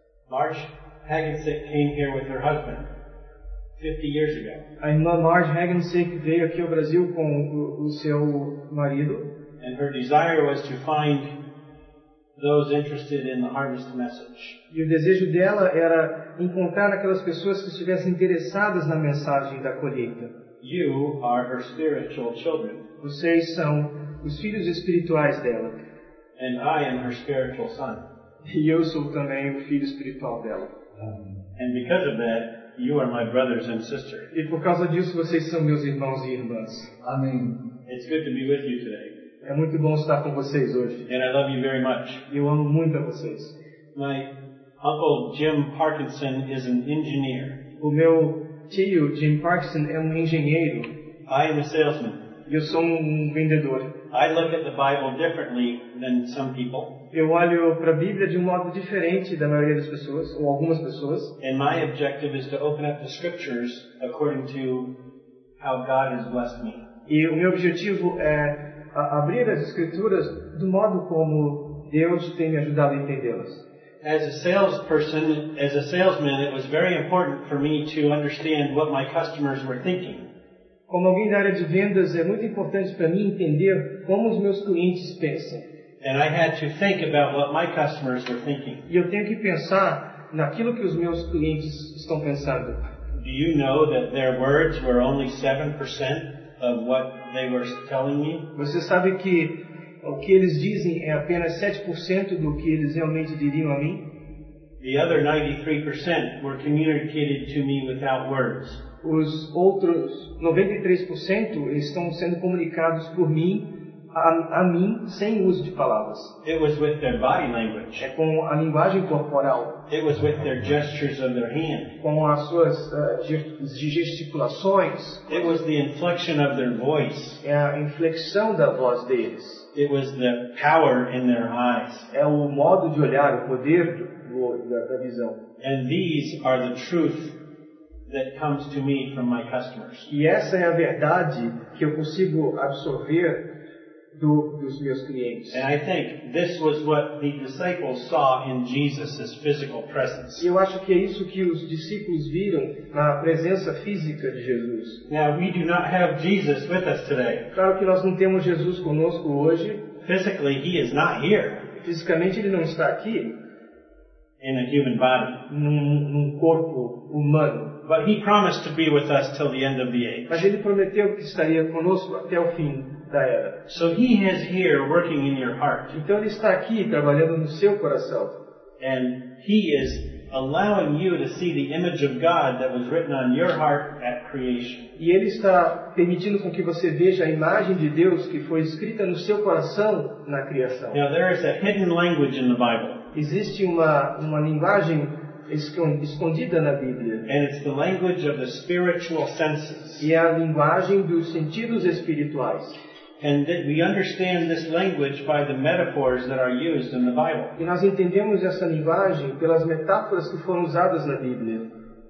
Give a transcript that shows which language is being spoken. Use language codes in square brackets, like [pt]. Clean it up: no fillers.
[en] Marge Hagensick came here with her husband 50 years ago. [pt] A irmã Marge Hagensick veio aqui ao Brasil com o seu marido. [en] And her desire was to find those interested in the harvest message. [pt] E o desejo dela era encontrar aquelas pessoas que estivessem interessadas na mensagem da colheita. [en] You are her spiritual children. [pt] Vocês são os filhos espirituais dela. [en] And I am her spiritual son. [pt] E eu sou também o filho espiritual dela. [en] And because of that, you are my brothers and sister. [pt] E por causa disso, vocês são meus irmãos e irmãs. Amém. [en] It's good to be with you today. [pt] É muito bom estar com vocês hoje. [en] And I love you very much. [pt] Eu amo muito a vocês. [en] My uncle Jim Parkinson is an engineer. [pt] O meu tio Jim Parkinson é engenheiro. [en] I am a salesman. [pt] Eu sou vendedor. [en] I look at the Bible differently than some people. [pt] Eu olho para a Bíblia de modo diferente da maioria das pessoas, ou algumas pessoas. [en] And my objective is to open up the scriptures according to how God has blessed me. [pt] E o meu objetivo é abrir as escrituras do modo como Deus tem me ajudado a entendê-las. [en] As a salesperson, as a salesman, it was very important for me to understand what my customers were thinking. [pt] Como alguém da área de vendas, é muito importante para mim entender como os meus clientes pensam. [en] And I had to think about what my customers were thinking. [pt] E eu tenho que pensar naquilo que os meus clientes estão pensando. [en] Do you know that their words were only 7% of what they were telling me? [pt] Você sabe que o que eles dizem é apenas 7% do que eles realmente diriam a mim? [en] The other 93% were communicated to me without words. [pt] Os outros 93% estão sendo comunicados por mim, a mim, sem uso de palavras. [en] It was with their body language. [pt] É com a linguagem corporal. [en] It was with their gestures of their hand. [pt] Com as suas gesticulações. [en] It was the inflection of their voice. [pt] É a inflexão da voz deles. [en] It was the power in their eyes. [pt] É o modo de olhar, o poder da visão. [en] And these are the truth that comes to me from my customers. [pt] E essa é a verdade que eu consigo absorver dos meus clientes. [en] And I think this was what the disciples saw in Jesus's physical presence. [pt] E eu acho que é isso que os discípulos viram na presença física de Jesus. [en] Now we do not have Jesus with us today. [pt] Claro que nós não temos Jesus conosco hoje. [en] Physically, he is not here. [pt] Fisicamente ele não está aqui. [en] In a human body. [pt] Num corpo humano. [en] But he promised to be with us till the end of the age. [pt] Mas ele prometeu que estaria conosco até o fim da era. [en] So he is here working in your heart. [pt] Então ele está aqui trabalhando no seu coração. [en] And he is allowing you to see the image of God that was written on your heart at creation. [pt] E ele está permitindo com que você veja a imagem de Deus que foi escrita no seu coração na criação. [en] Now there is a hidden language in the Bible. [pt] Existe uma linguagem escondida na Bíblia. [en] And it's the language of the spiritual senses. [pt] E é a linguagem dos sentidos espirituais. [en] And that we understand this language by the metaphors that are used in the Bible. [pt] E nós entendemos essa linguagem pelas metáforas que foram usadas na Bíblia.